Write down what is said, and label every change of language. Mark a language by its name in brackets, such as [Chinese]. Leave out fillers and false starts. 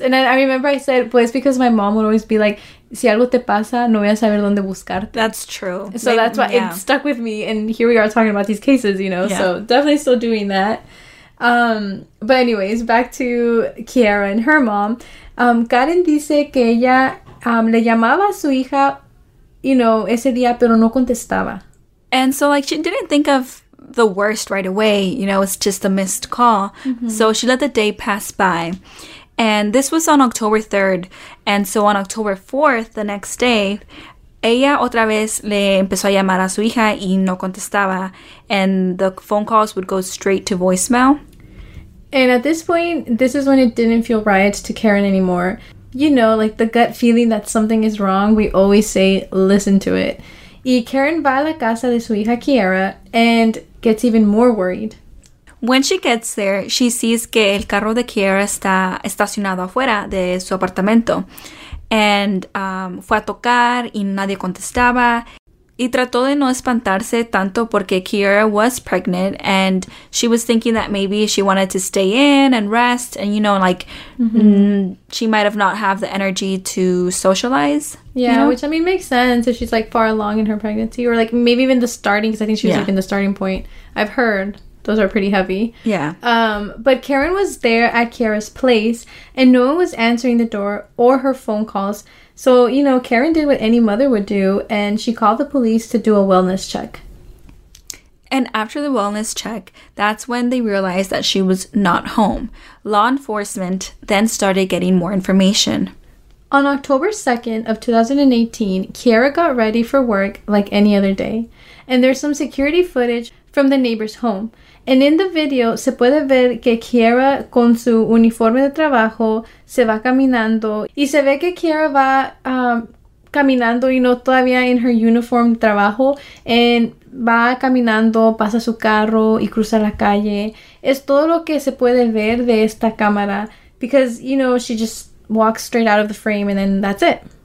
[English] And I remember I said, [Spanish] pues, [English] because my mom would always be like, [Spanish] si algo te pasa, no voy a saber dónde buscarte. [English] That's true. So like, that's why yeah. It stuck with me. And here we are talking about these cases, you know. Yeah. So definitely still doing that. But anyways, back to Kiara and her mom. [Spanish] Karen dice que ella le llamaba a su hija, [English] you know, [Spanish] ese día, pero no contestaba. [English] And so, like, she didn't think of the worst right away, you know, it's just a missed call. Mm-hmm. So she let the day pass by. And this was on October 3rd. And so on October 4th, the next day, [Spanish] ella otra vez le empezó a llamar a su hija y no contestaba. [English] And the phone calls would go straight to voicemail. And at this point, this is when it didn't feel right to Karen anymore. You know, like the gut feeling that something is wrong, we always say, listen to it. [Spanish] Y Karen va a la casa de su hija Kiara [English] and gets even more worried. When she gets there, she sees [Spanish] que el carro de Kiara está estacionado afuera de su apartamento. And fue a tocar y nadie contestaba. Y trató de no espantarse tanto porque [English] Kiara was pregnant and she was thinking that maybe she wanted to stay in and rest and, you know, like, she might have not have the energy to socialize. Yeah, you know? Which, I mean, makes sense if she's, like, far along in her pregnancy or, like, maybe even the starting, because I think she was, like, in the starting point. I've heard those are pretty heavy. Yeah. But Karen was there at Kiara's place and no one was answering the door or her phone calls. So, you know, Karen did what any mother would do, and she called the police to do a wellness check. And after the wellness check, that's when they realized that she was not home. Law enforcement then started getting more information. On October 2nd of 2018, Kiara got ready for work like any other day. And there's some security footage from the neighbor's home. And in the video, [Spanish] se puede ver que Kiara con su uniforme de trabajo se va caminando. Y se ve que Kiara va caminando, [English] you know, [Spanish] todavía [English] in her uniform [Spanish] de trabajo. And va caminando, pasa su carro y cruza la calle. Es todo lo que se puede ver de esta cámara. [English] Because, you know, she just walks straight out of the frame and then that's it.